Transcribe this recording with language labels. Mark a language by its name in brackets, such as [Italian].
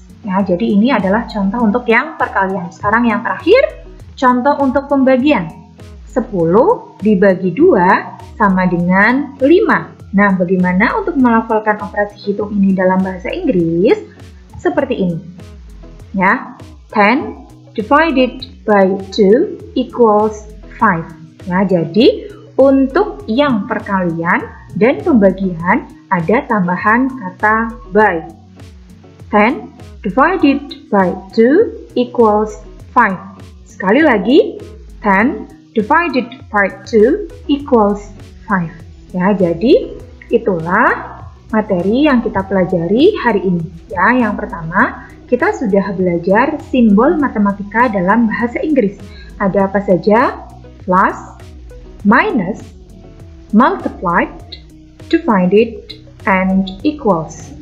[Indonesian] Ya, jadi ini adalah contoh untuk yang perkalian. Sekarang yang terakhir, contoh untuk pembagian. 10 dibagi 2 sama dengan 5. Nah, bagaimana untuk melafalkan operasi hitung ini dalam bahasa Inggris? Seperti ini. [English] Ya, 10 divided by 2 equals 5. [Indonesian] Nah, jadi Untuk yang perkalian dan pembagian ada tambahan kata by. [English] 10 divided by 2 equals 5. [Indonesian] Sekali lagi, [English] 10 divided by 2 equals 5. [Indonesian] Ya, jadi itulah materi yang kita pelajari hari ini. Ya, yang pertama, kita sudah belajar simbol matematika dalam bahasa Inggris. Ada apa saja? [English] Plus, minus, multiplied, divided, and equals.